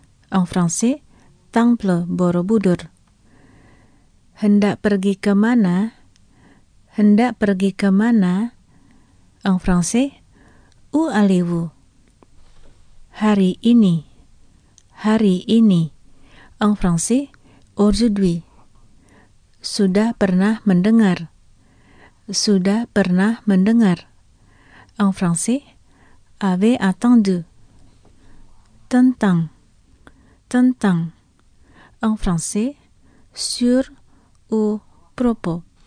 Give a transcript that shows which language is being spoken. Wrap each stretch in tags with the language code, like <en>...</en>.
<fr>En français, Temple Borobudur.</fr> <id>Hendak pergi ke mana? Hendak pergi ke mana?</id> <fr>En français, où allez-vous?</fr> <id>Hari ini. Hari ini.</id> <fr>En français, aujourd'hui.</fr> <id>Sudah pernah mendengar. Sudah pernah mendengar.</id> <fr>En français, avez entendu.</fr> <id>Tentang. Tentang.</id> <fr>En français, sur ou propos.</fr>